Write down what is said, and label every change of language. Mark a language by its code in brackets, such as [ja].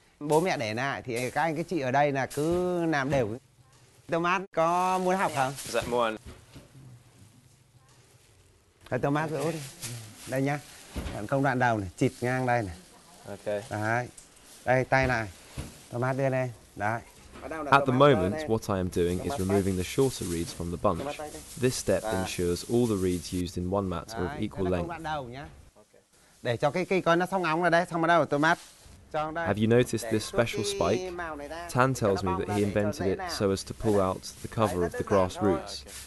[vi] Bố mẹ để lại thì các anh các chị ở đây là cứ làm đều. Thomas có muốn học không? Dạ muốn. Thomas giữ đi. Đây nhá. Công đoạn đầu này, chịt ngang đây này. Ok. Đấy. Đây tay này. Thomas đưa lên. Đấy. [en] At the moment, what I am doing is removing the shorter reeds from the bunch. This step ensures all the reeds used in one mat are of equal length. [vi] Để cho cái cây con nó xong ống rồi đấy, xong rồi tôi mát. [en] Have you noticed this special spike? Tan tells me that he invented it so as to pull out the cover of the grass roots.